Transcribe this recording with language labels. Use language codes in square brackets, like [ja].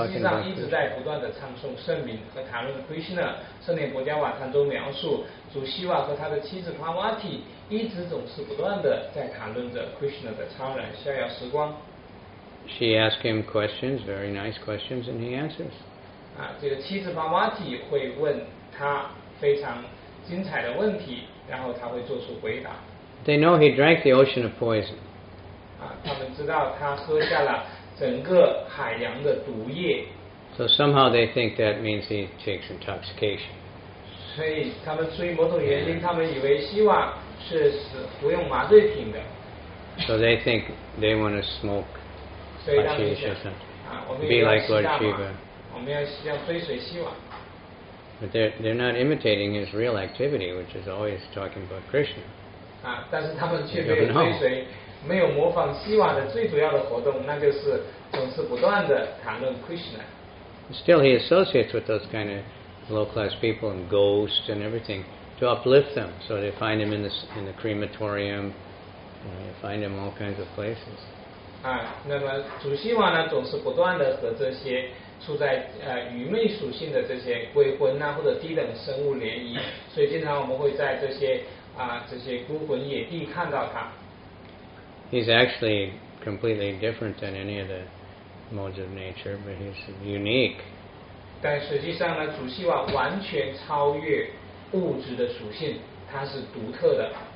[zh] 际上一直在不断地唱诵圣名和谈论 Krishna 圣殿国家瓦坛中描述主希瓦和他的妻子 Parvati 一直总是不断地在谈论着 Krishna 的超然逍遥时光。 [en] She asked him questions, very nice questions, and he answers. [zh] 这个妻子 Parvati 会问他非常精彩的问题，然后他会做出回答。 [en] They know he drank the ocean of poison. [zh] 他们知道他喝下了整个海洋的毒液。 [en] So somehow they think that means he takes intoxication. [zh] 所以他们出于某种原因，他们以为希望是服用麻醉品的。 [en] So they think they want to smoke. [zh] 所以他们想 [en] be like Lord Shiva. [zh] 我们要追随希望。 [en] But they're not imitating his real activity, which is always talking about Krishna. [zh] 但是他们却没有追随，没有模仿希瓦的最主要的活动，那就是总是不断的谈论 Krishna. [en] Still, he associates with those kind of low-class people and ghosts and everything to uplift them. So they find him in the crematorium. They find him all kinds of places. [zh] 那么主希瓦呢，总是不断的和这些处在愚昧属性的这些鬼魂或者低等生物联谊，所以经常我们会在这些孤魂野地看到他。 [en] He's actually completely different than any of the modes of nature, but he's unique. [zh] 但实际上呢，主希瓦完全超越物质的属性，它是独特的。